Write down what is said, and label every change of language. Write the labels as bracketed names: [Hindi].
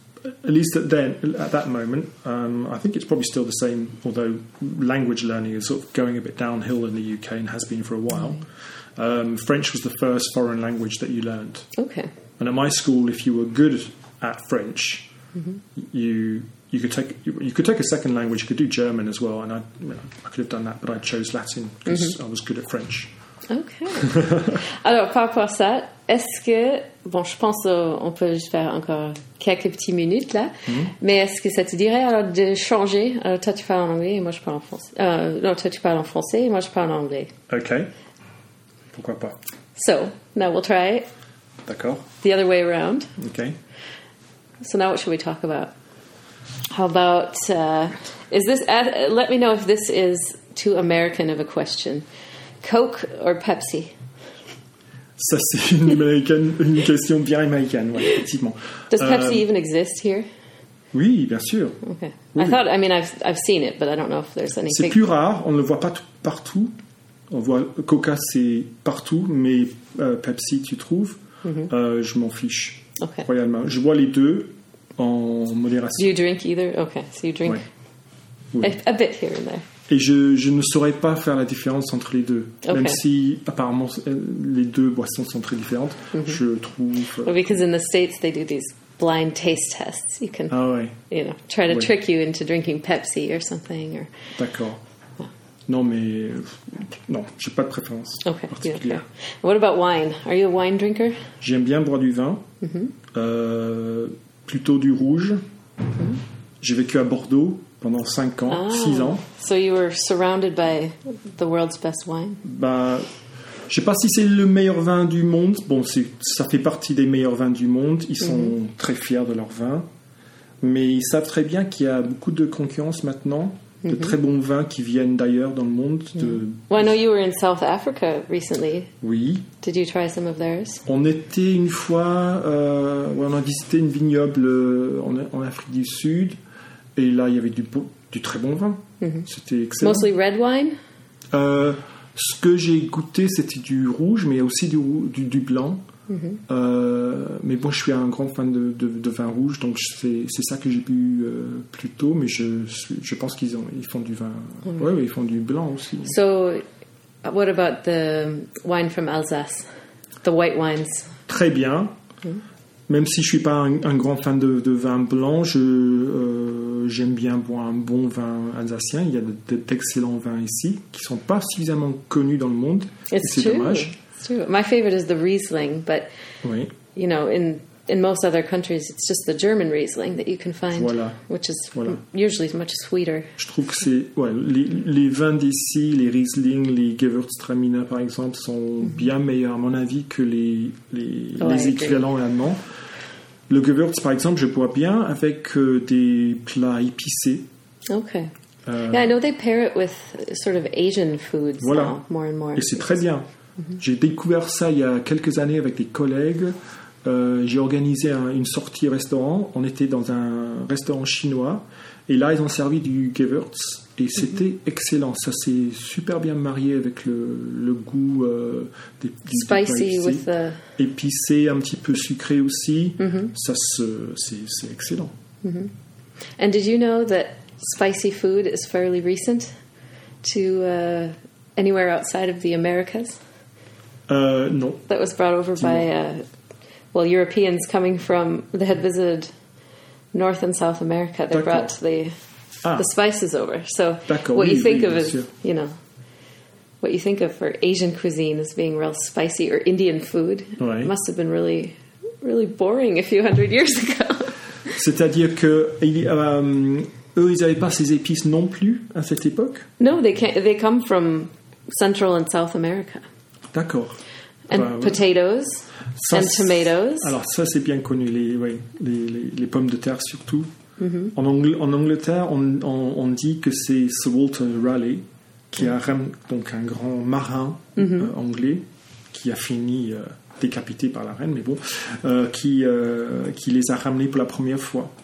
[English] At least at that moment, I think it's probably still the same, although language learning is sort of going a bit downhill in the UK and has been for a while. Mm. French was the first foreign language that you learned. Okay. And at my school, if you were good at French, mm-hmm, you could take a second language, you could do German as well, and I could have done that, but I chose Latin because, mm-hmm, I was good at French. Okay. [French] Alors, par rapport à ça, est-ce que... Bon, je pense qu'on peut juste faire encore quelques petites minutes, là. Mm-hmm. Mais est-ce que ça te dirait, alors, de changer? Alors, toi, tu parles en anglais et moi, je parle en français. Non, toi, tu parles en français et moi, je parle en anglais. Okay. Pourquoi pas? [English] So, now we'll try it. [French] D'accord. [English] The other way around. Okay. So now what should we talk about? How about... is this... let me know if this is too American of a question. Coke or Pepsi? [French] Ça, c'est une question bien américaine, ouais, effectivement. [English] Does Pepsi even exist here? [French] Oui, bien sûr. Okay. Oui. [English] I've seen it, but I don't know if there's anything. [French] C'est plus rare, on ne le voit pas partout. On voit Coca, c'est partout, mais Pepsi, tu trouves, mm-hmm, je m'en fiche. [English] Okay. [French] Royalement. Je bois les deux en modération. [English] Do you drink either? Okay, so you drink, [French] ouais, [English] a bit here and there. [French] Et je ne saurais pas faire la différence entre les deux. [English] Okay. [French] Même si, apparemment, les deux boissons sont très différentes, mm-hmm, je trouve... [English] Well, because in the States, they do these blind taste tests. You can, [French] ah ouais, [English] try to, oui, trick you into drinking Pepsi or something. Or... [French] D'accord. Oh. Non, mais... Non, je n'ai pas de préférence, [English] okay, [French] particulière. [English] Yeah, okay. What about wine? Are you a wine drinker? [French] J'aime bien boire du vin. Mm-hmm. Plutôt du rouge. Mm-hmm. J'ai vécu à Bordeaux pendant 5 ans, 6 ans. [English] So you were surrounded by the world's best wine? [French] Je ne sais pas si c'est le meilleur vin du monde. Bon, ça fait partie des meilleurs vins du monde. Ils sont, mm-hmm, très fiers de leur vin. Mais ils savent très bien qu'il y a beaucoup de concurrence maintenant, mm-hmm, de très bons vins qui viennent d'ailleurs dans le monde. Mm-hmm. [English] Well, I know you were in South Africa recently. [French] Oui. [English] Did you try some of theirs? [French] On était une fois... on a visité une vignoble en Afrique du Sud. Et là, il y avait du très bon vin. Mm-hmm. C'était excellent. [English] Mostly red wine? [French] Ce que j'ai goûté, c'était du rouge, mais aussi du blanc. Mm-hmm. Mais bon, je suis un grand fan de vin rouge, donc c'est ça que j'ai bu plus tôt. Mais je pense qu'ils font du vin... Mm-hmm. Ouais, ils font du blanc aussi. [English] So, what about the wine from Alsace? The white wines? [French] Très bien. Mm-hmm. Même si je ne suis pas un grand fan de vin blanc, j'aime bien boire un bon vin alsacien. Il y a d'excellents vins ici qui ne sont pas suffisamment connus dans le monde. C'est dommage. [English] My favorite is the Riesling, but [French] oui. [English] You know, in most other countries, it's just the German Riesling that you can find, [French] voilà. [English] Which is voilà. Usually much sweeter. [French] Je trouve que c'est ouais, les vins d'ici, les Riesling, les Gewürztraminer par exemple, sont mm-hmm. bien meilleurs à mon avis que les équivalents allemands. Le Gewürz, par exemple, je bois bien avec des plats épicés. [English] Okay. Yeah, I know they pair it with sort of Asian foods voilà. Now, more and more. [French] Et c'est très bien. Mm-hmm. J'ai découvert ça il y a quelques années avec des collègues. J'ai organisé une sortie restaurant. On était dans un restaurant chinois. Et là, ils ont servi du Gewürz. Et c'était mm-hmm. excellent. Ça s'est super bien marié avec le goût des [English] spicy des with the... [French] épicé, un petit peu sucré aussi. Mm-hmm. Ça, c'est excellent. Mm-hmm. [English] And did you know that spicy food is fairly recent to anywhere outside of the Americas? [French] Non. [English] That was brought over by, well, Europeans coming from, they had visited North and South America. [French] d'accord. [English] brought the spices over. So [French] d'accord, [English] what you [French] oui, [English] think [French] oui, [English] of as, you know, what you think of for Asian cuisine as being real spicy or Indian food [French] ouais. [English] must have been really, really boring a few hundred years ago. [French] C'est-à-dire que, eux, ils n'avaient pas ces épices non plus à cette époque? [English] No, they come from Central and South America. [French] D'accord. [English] And bah, potatoes ça, and tomatoes. [French] Alors ça, c'est bien connu, les pommes de terre surtout. Mm-hmm. En Angleterre, on dit que c'est Sir Walter Raleigh, qui mm-hmm. a donc un grand marin mm-hmm. Anglais, qui a fini décapité par la reine, mais bon, qui les a ramenés pour la première fois,